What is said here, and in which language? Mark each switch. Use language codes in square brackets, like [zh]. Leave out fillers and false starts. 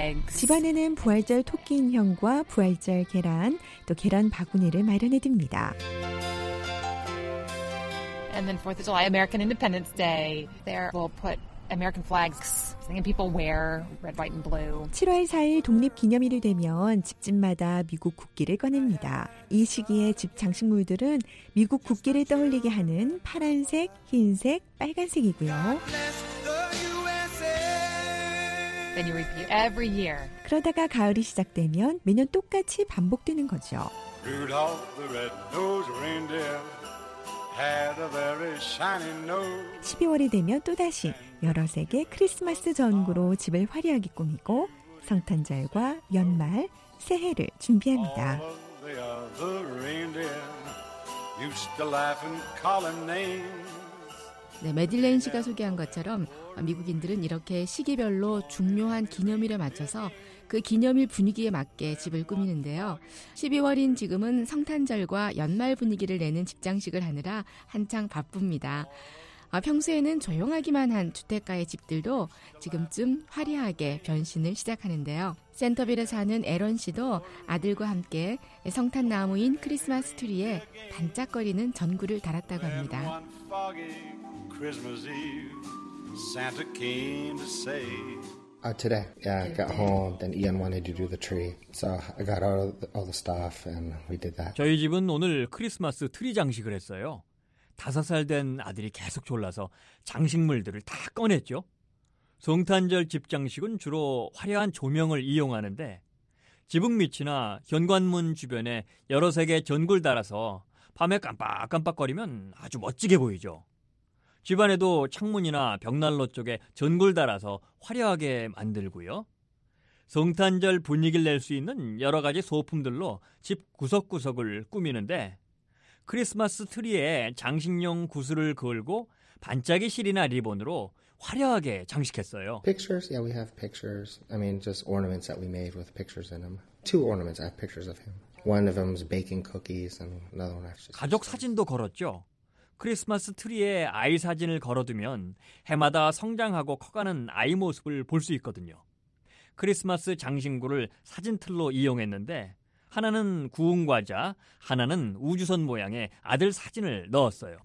[ko] 집안에는 부활절 토끼 인형과 부활절 계란, 또 계란 바구니를 마련해 둡니다. [en] And then 4th of July, American Independence Day, there we'll put American flags, and people wear red, white, and blue. [ko] 7월 4일 독립기념일이 되면 집집마다 미국 국기를 꺼냅니다. 이 시기에 집 장식물들은 미국 국기를 떠올리게 하는 파란색, 흰색, 빨간색이고요. [en] Then you repeat every year. [ko] 그러다가 가을이 시작되면 매년 똑같이 반복되는 거죠. [en] Rudolph the red-nosed reindeer had a very shiny nose. [ko] 12월이 되면 또다시 여러 색의 크리스마스 전구로 집을 화려하게 꾸미고 성탄절과 연말, 새해를 준비합니다. [en] All of the other reindeer used to laugh and call him names. [ko] 네, 메딜레인 씨가 소개한 것처럼 미국인들은 이렇게 시기별로 중요한 기념일에 맞춰서 그 기념일 분위기에 맞게 집을 꾸미는데요. 12월인 지금은 성탄절과 연말 분위기를 내는 집장식을 하느라 한창 바쁩니다. 평소에는 조용하기만 한 주택가의 집들도 지금쯤 화려하게 변신을 시작하는데요. 센터빌에 사는 에런 씨도 아들과 함께 성탄나무인 크리스마스 트리에 반짝거리는 전구를 달았다고 합니다. [en] Christmas Eve, Santa came to say. Today, yeah, I got home. Then Ian wanted to do the tree, so I got all the stuff and we did that. [ko] 저희 집은 오늘 크리스마스 트리 장식을 했어요. 다섯 살 된 아들이 계속 졸라서 장식물들을 다 꺼냈죠. 성탄절 집 장식은 주로 화려한 조명을 이용하는데 지붕 밑이나 현관문 주변에 여러 색의 전구를 달아서 밤에 깜빡깜빡거리면 아주 멋지게 보이죠. 집안에도 창문이나 벽난로 쪽에 전구를 달아서 화려하게 만들고요. 성탄절 분위기를 낼 수 있는 여러 가지 소품들로 집 구석구석을 꾸미는데 크리스마스 트리에 장식용 구슬을 걸고 반짝이 실이나 리본으로 화려하게 장식했어요. [en] Pictures? Yeah, we have pictures. I mean, just ornaments that we made with pictures in them. Two ornaments. I have pictures of him. One of them is baking cookies and another one actually. [ko] 가족 사진도 걸었죠. 크리스마스 트리에 아이 사진을 걸어두면 해마다 성장하고 커가는 아이 모습을 볼 수 있거든요. 크리스마스 장신구를 사진틀로 이용했는데 하나는 구운 과자, 하나는 우주선 모양의 아들 사진을 넣었어요.